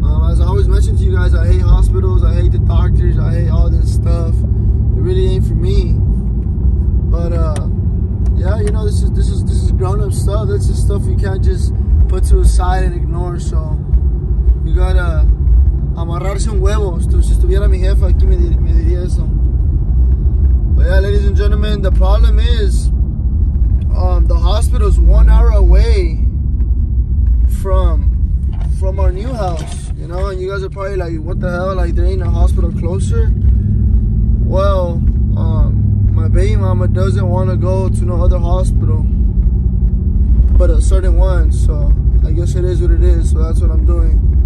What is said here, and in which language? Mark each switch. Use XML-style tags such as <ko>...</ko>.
<en>As I always mention to you guys, I hate hospitals, I hate the doctors, I hate all this stuff. It really ain't for me. But, yeah, you know, this is grown-up stuff. This is stuff you can't just put to a side and ignore, so you gotta</en> <es>amarrarse un huevo. Si estuviera mi jefa aquí, me diría eso.</es> <en>But yeah, ladies and gentlemen, the problem is, the hospital is 1 hour away from our new house, you know. And you guys are probably like, what the hell, like, there ain't a hospital closer. Well, my baby mama doesn't want to go to no other hospital but a certain one, so I guess it is what it is. So that's what I'm doing.</en>